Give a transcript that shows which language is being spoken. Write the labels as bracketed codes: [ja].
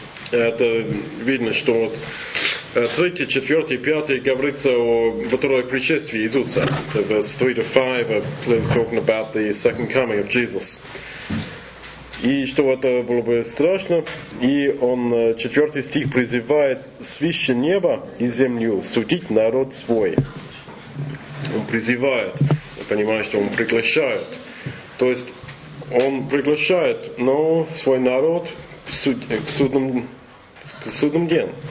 [ru] Это видно, что вот 3-й, 4-й, 5-й говорится о второй пришествии Иисуса. [en] So verse 3 to 5 are talking about the second coming of Jesus. [ru] И что это было бы страшно. И он 4-й стих призывает свыше неба и землю судить народ свой. Он призывает, понимая, что он приглашает. То есть он приглашает, но свой народ к судным дням.